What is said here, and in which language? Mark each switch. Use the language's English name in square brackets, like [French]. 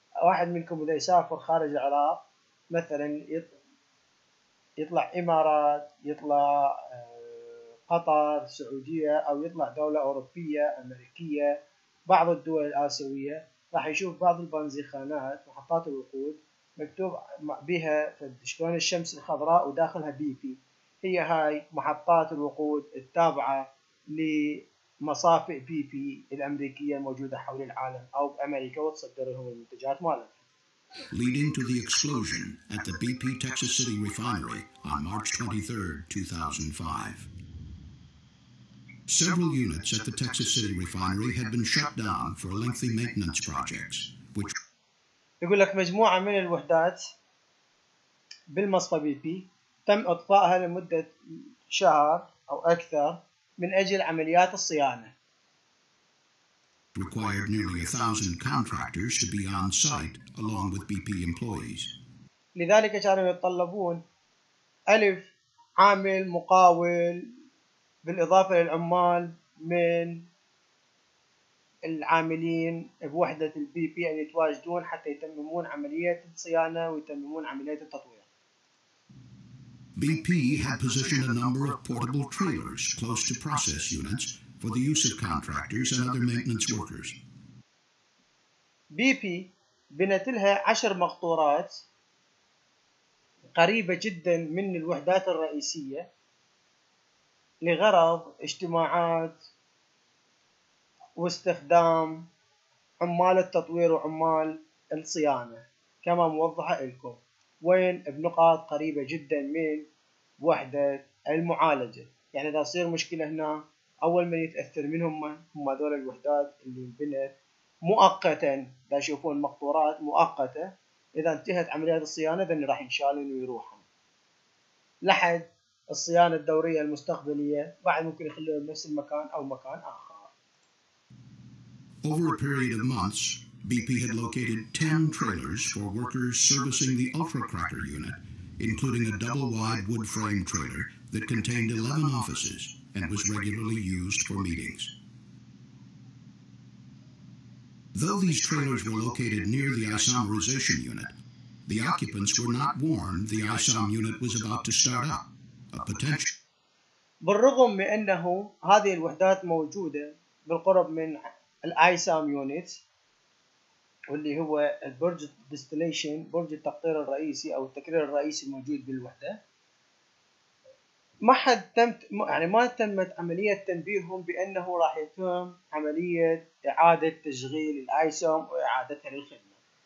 [Arabic] واحد منكم إذا يسافر خارج العراق مثلا يطلع إمارات، يطلع قطر، سعودية، أو يطلع دولة أوروبية أمريكية، بعض الدول الآسيوية، راح يشوف بعض البنزينخانات محطات الوقود مكتوب بها شلون الشمس الخضراء وداخلها بيبي. هي هاي محطات الوقود التابعة لمصافي بيبي الأمريكية الموجودة حول العالم أو أمريكا وتصدر لهم المنتجات مالها. [English] Leading to the explosion at the BP Texas City refinery on March 23, 2005. Several units at the Texas City refinery had been shut down for lengthy maintenance projects, which [Arabic] يقول لك مجموعة من الوحدات بالمصفى بي بي تم إطفائها لمدة شهر أو أكثر من أجل عمليات الصيانة. [English] Required nearly 1,000 contractors to be on site along with BP employees. [Arabic] لذلك كانوا يتطلبون 1,000 عامل مقاول بالإضافة للعمال من العاملين بوحدة البي بي أن يتواجدون حتى يتممون عملية الصيانة ويتممون عملية التطوير. [English] B P had positioned a number of portable trailers close to process units for the use of contractors and other maintenance workers. [Arabic] بي بي بنت لها 10 مقطورات قريبة جدا من الوحدات الرئيسية لغرض اجتماعات واستخدام عمال التطوير وعمال الصيانة كما موضحة لكم، وين بنقاط قريبة جدا من وحدة المعالجة. يعني إذا صير مشكلة هنا أول من يتأثر منهم هم هذول الوحدات اللي بنت مؤقتا، دا يشوفون مقطورات مؤقتة، إذا انتهت عمليات الصيانة ذني راح ينشالون ويروحون لحد الصيانة الدورية المستقبلية، بعد ممكن يخلون نفس المكان أو مكان آخر. [English] Over a period of months, BP had located 10 trailers for workers servicing the Ultra Cracker unit, including a double-wide wood frame trailer that contained 11 offices and was regularly used for meetings. Though these trailers were located near the isomerization unit, the occupants were not warned the ISOM unit was about to start up, a potential. [Arabic] بالرغم من أنه هذه الوحدات موجودة بالقرب من الISOM unit واللي هو البرج ديستليشن، برج التقطير الرئيسي أو التكرير الرئيسي الموجود بالوحدة، ما حد تم يعني ما تمت عملية تنبيههم بأنه راح يتم عملية إعادة تشغيل الآيسوم وإعادتها للخدمة.